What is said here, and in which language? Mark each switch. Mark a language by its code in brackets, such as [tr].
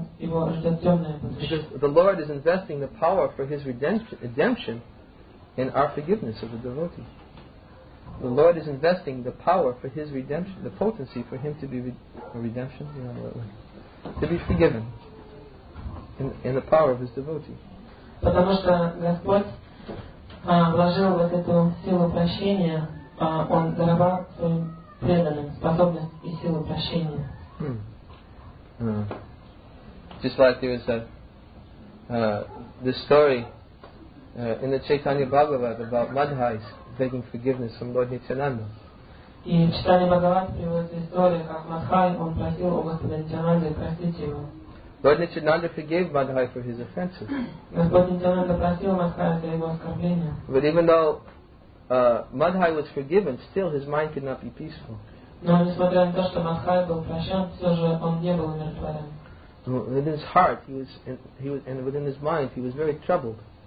[en] Because the Lord is investing the power for His redemption in our forgiveness of the devotee. The Lord is investing the power for His redemption, the potency for Him to be redemption, to be forgiven in the power of His devotee. [ru] потому что Господь вложил вот эту силу прощения, Он даровал своим преданным способность и силу прощения. [en] Just like you said, the story in the Chaitanya Bhagavad about Madhais begging forgiveness from Lord Nityananda. [ru] И в Читании Бхагавад приводится история, как Мадхай, он просил у Господа Нитянанды простить его. [en] Lord Nityananda forgave Madhai for his offenses. [ru] Господь Нитянанда простил Мадхая за его оскорбление. [en] But even though Madhai was forgiven, still his mind could not be peaceful. [ru] Но несмотря на то, что Мадхай был прощен, все же он не был умиротворен. [en] In his heart, he was, and within his mind, he was very troubled.